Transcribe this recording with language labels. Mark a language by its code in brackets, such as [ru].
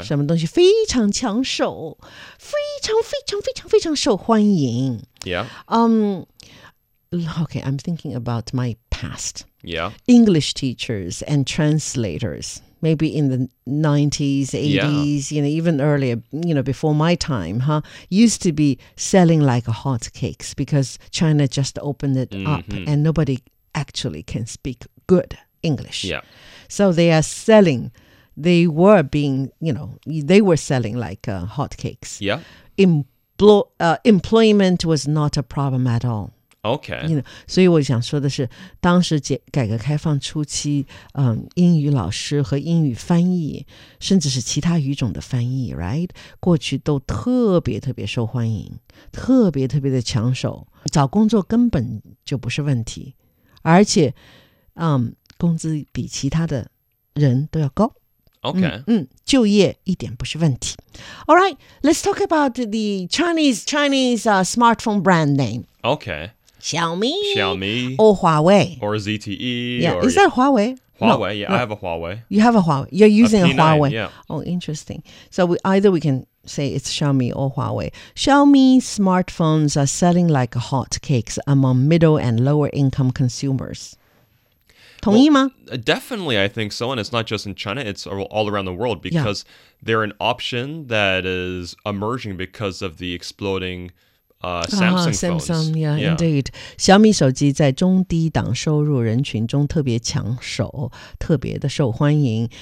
[zh] 什么东西非常抢手，非常非常非常非常受欢迎。 [en] Yeah. Okay, I'm thinking about my past. Yeah. English teachers and translators, maybe in the 90s, 80s, yeah. You know, even earlier, you know, before my time, huh? Used to be selling like hot cakes because China just opened it up and nobody actually can speak good English. Yeah. So they are selling, they were being, you know, they were selling like hot cakes. Yeah. Employment was not a problem at all. Okay. You know, [zh] 所以我想说的是，当时改革开放初期，英语老师和英语翻译，甚至是其他语种的翻译 ， [en] right? [zh] 过去都特别特别受欢迎，特别特别的抢手，找工作根本就不是问题，而且，工资比其他的人都要高。 [en] Okay. [zh] 就业一点不是问题。 [en] All right, let's talk about the Chinese smartphone brand name. Okay. Xiaomi, or Huawei, or ZTE, yeah. Is that Huawei? Huawei, no, yeah. No. I have a Huawei. You have a Huawei. You're using a Huawei. Yeah. Oh, interesting. So we can say it's Xiaomi or Huawei. Xiaomi smartphones are selling like hotcakes among middle and lower income consumers. [zh] 同意吗? [en] Well, definitely, I think so. And it's not just in China; it's all around the world because they're an option that is emerging because of the exploding. Samsung phones. Yeah, indeed. [zh] 小米手机在中低档收入人群中特别抢手，特别的受欢迎。